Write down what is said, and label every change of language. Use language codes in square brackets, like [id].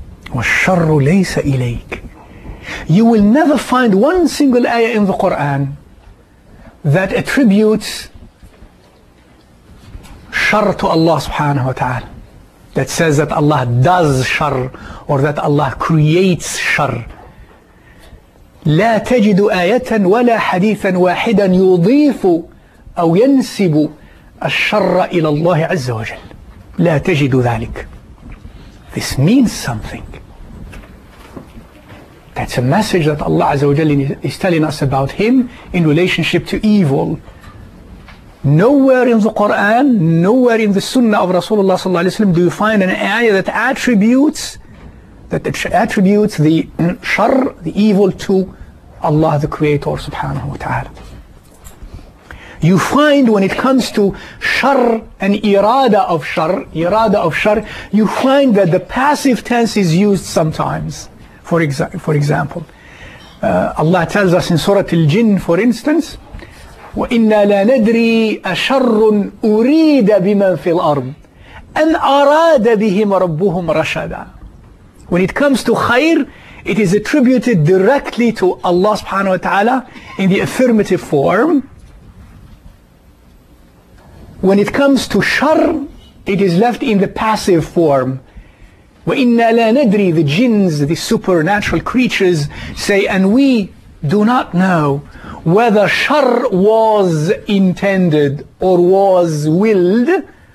[ar] وَالشَّرُّ لَيْسَ إِلَيْكَ, [en] you will never find one single ayah in the Quran that attributes shar to Allah subhanahu wa ta'ala, that says that Allah does shar or that Allah creates shar. [ar] لا تجد آية ولا حديثا واحدا يضيف أو ينسب الشر إلى الله عز وجل. لا تجد ذلك. [en] This means something. That's a message that Allah Azza wa Jalla is telling us about Him in relationship to evil. Nowhere in the Quran, nowhere in the Sunnah of Rasulullah Sallallahu Alaihi Wasallam do you find an ayah that attributes the shar, the evil, to Allah the Creator Subhanahu Wa Ta'ala. You find when it comes to shar and irada of shar, you find that the passive tense is used sometimes. For example, Allah tells us in Surah Al-Jinn, for instance, [ar] وَإِنَّا لَا نَدْرِي أَشَرٌ أُرِيدَ بِمَنْ فِي الْأَرْضِ أَنْ أَرَادَ بِهِمْ رَبُّهُمْ رَشَدًا. [en] When it comes to khayr, it is attributed directly to Allah subhanahu wa ta'ala in the affirmative form. When it comes to shar, it is left in the passive form. [ar] وَإِنَّا لَا نَدْرِي, [en] the jinns, the supernatural creatures, say, and we do not know whether shar was intended or was willed